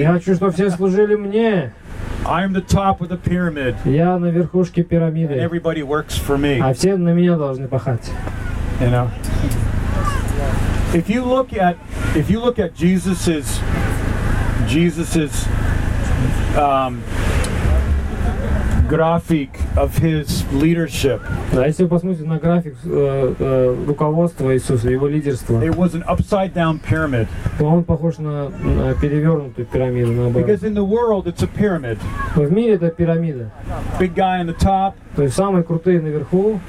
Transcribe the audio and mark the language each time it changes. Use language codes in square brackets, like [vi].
[ru] Я хочу, чтобы все служили мне. [en] I'm the top of the pyramid. [ru] Я на верхушке пирамиды. [en] And everybody works for me. [ru] А все на меня должны пахать. [en] You know. If you look at Jesus's graphic of his leadership. [ru] Да, если вы посмотрите на график руководства Иисуса, его лидерства. [en] It was an upside down pyramid. [ru] Он похож на перевернутую пирамиду, наоборот. [en] Because in the world it's a pyramid. [ru] В мире это пирамида. [en] Big guy on the top. [ru] То есть самые крутые наверху.